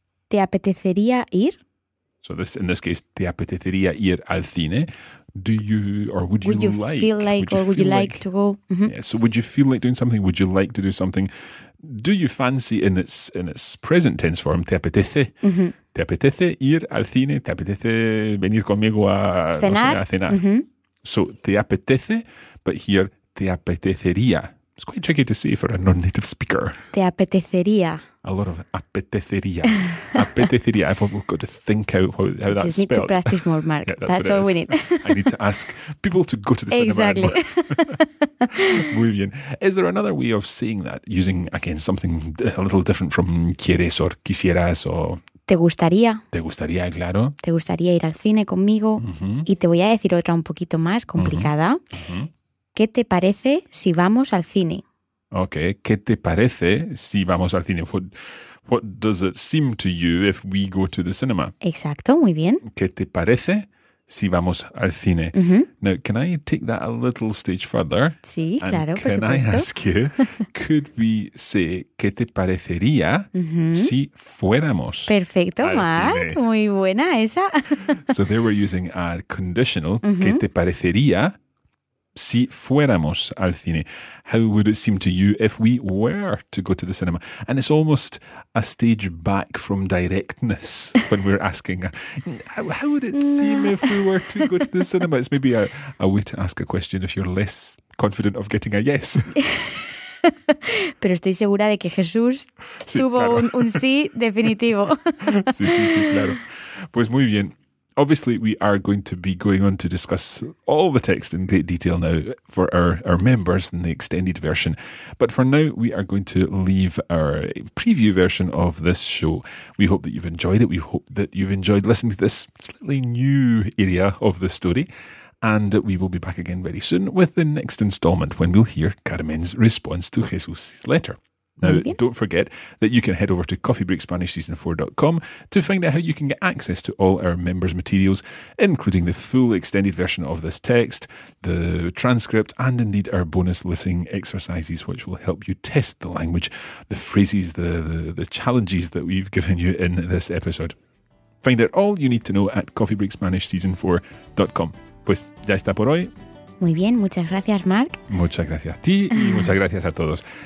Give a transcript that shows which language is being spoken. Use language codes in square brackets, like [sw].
[es] ¿Te apetecería ir? [en] So this, in this case, ¿te apetecería ir al cine? Do you, or would you like to go? Mm-hmm. Yeah, so would you feel like doing something? Would you like to do something? Do you fancy, in its present tense form, ¿te apetece? Mm-hmm. [es] ¿Te apetece ir al cine? ¿Te apetece venir conmigo a cenar? No sé, a cenar. Mm-hmm. So, ¿te apetece? But here, ¿te apetecería? [en] It's quite tricky to say for a non-native speaker. [es] ¿Te apetecería? [en] A lot of apetecería. Apetecería. I've got to think out how that's spelled. You just need to practice more, Mark. Yeah, that's what we need. I need to ask people to go to the exactly. cinema. Exactly. Muy bien. Is there another way of saying that? Using, again, something a little different from quieres or quisieras or... [es] ¿Te gustaría? ¿Te gustaría, claro? ¿Te gustaría ir al cine conmigo? Uh-huh. Y te voy a decir otra un poquito más complicada. Uh-huh. ¿Qué te parece si vamos al cine? Ok, ¿qué te parece si vamos al cine? [en] What does it seem to you if we go to the cinema? [es] Exacto, muy bien. ¿Qué te parece si vamos al cine? Uh-huh. [en] Now, can I take that a little stage further? [es] Sí, claro, por supuesto. [en] Can I ask you, could we say, ¿qué te parecería si fuéramos? [es] Perfecto, Mark, muy buena esa. [en] So there we're using a conditional, ¿qué te parecería? Si fuéramos al cine, how would it seem to you if we were to go to the cinema? And it's almost a stage back from directness when we're asking, how would it seem if we were to go to the cinema? It's maybe a way to ask a question if you're less confident of getting a yes. [es] Pero estoy segura de que Jesús tuvo claro. un sí definitivo. sí, claro. Pues muy bien. [en] Obviously, we are going to be going on to discuss all the text in great detail now for our members in the extended version. But for now, we are going to leave our preview version of this show. We hope that you've enjoyed it. We hope that you've enjoyed listening to this slightly new area of the story. And we will be back again very soon with the next installment when we'll hear Carmen's response to Jesus' letter. Now, don't forget that you can head over to coffeebreakspanishseason4.com to find out how you can get access to all our members' materials, including the full extended version of this text, the transcript, and indeed our bonus listening exercises, which will help you test the language, the phrases, the challenges that we've given you in this episode. Find out all you need to know at coffeebreakspanishseason4.com. [es] Pues ya está por hoy. Muy bien, muchas gracias, Mark. Muchas gracias a ti y muchas gracias a todos.